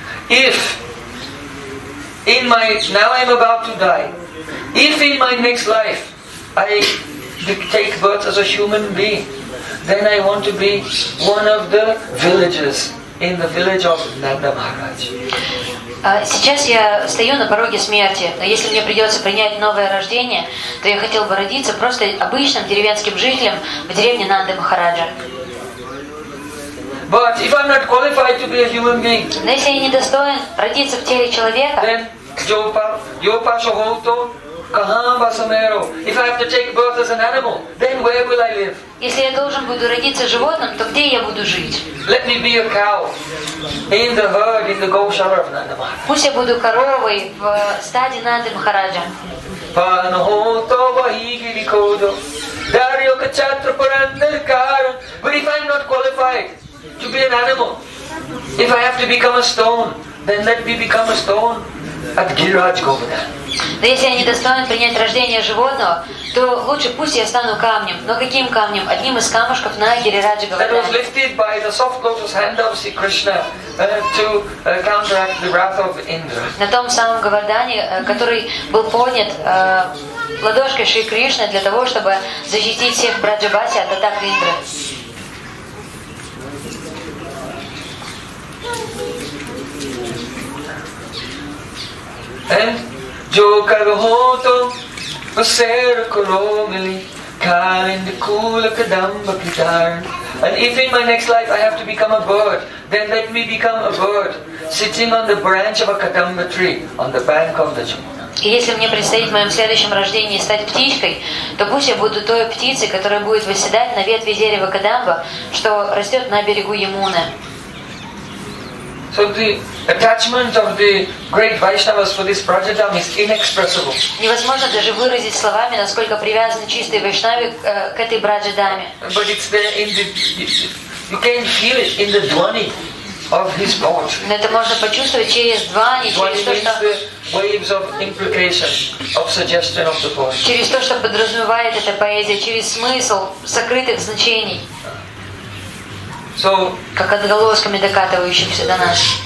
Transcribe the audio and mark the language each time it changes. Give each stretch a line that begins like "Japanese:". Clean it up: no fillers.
English: If in my now I am about to die, if in my next life I take birth as a human being, then I want to be one of the villagers in the village of Nanda Maharaj.
Russian: Сейчас я стою на пороге смерти, но если мне придется принять новое рождение, то я хотел бы родиться просто обычным деревенским жителем в деревне Нанда Махараджа.
English: But if I'm not qualified to be a human being,
Russian: но если я недостоин родиться в теле человека,
Braj: then yopa shohoto kahamba samero.
English: If I have to take birth as an animal, then where will I live?
Russian: Если я должен буду родиться животным, то где я буду жить?
English: Let me be a cow in the herd in the goshala of Nanda Maharaj.
Russian: Пусть я буду коровой в стаде Нанды Махараджа.
Braj: Panohoto vahigiri kodo dario kachatra parandar karan.
English: But if I'm not qualified to be an animal, if I have to become a stone, then let me become a stone at Giriraj Govardhan.
Russian: Если я недостоин принять рождение животного, то лучше пусть я стану камнем. Но каким камнем? Одним из камушков на Гирирадже Говардхане.
English: That was lifted by the soft lotus hand of Sri Krishna to counteract the wrath of Indra.
Russian: На том самом Говардхане, который был поднят ладошкой Шри Кришны для того, чтобы защитить всех Враджабаси от атак Индры.
Braj: And Jo Kagahoto Vasera Koromili, Kalinda Kula Kadamba Kitar.
English: And if in my next life I have to become a bird, then let me become a bird sitting on the branch of a Kadamba tree on the bank of the Jamuna.
Russian: Если мне предстоит в моем следующем рождении стать птичкой, то пусть я буду той птицей, которая будет восседать на ветви дерева Кадамба, что растет на берегу Ямуны.
English: So the attachment of the great Vaishnavas for this prajadam is inexpressible.
Russian: Невозможно даже выразить словами, насколько привязаны чистые вайшнавы к этой праджадаме.
English: But it's there in the, you can feel it in the dhwani. Of his
Russian: но это можно почувствовать через двани, через то, что подразумевает эта поэзия, через смысл сокрытых значений,
English: so,
Russian: как отголосками докатывающихся до нас.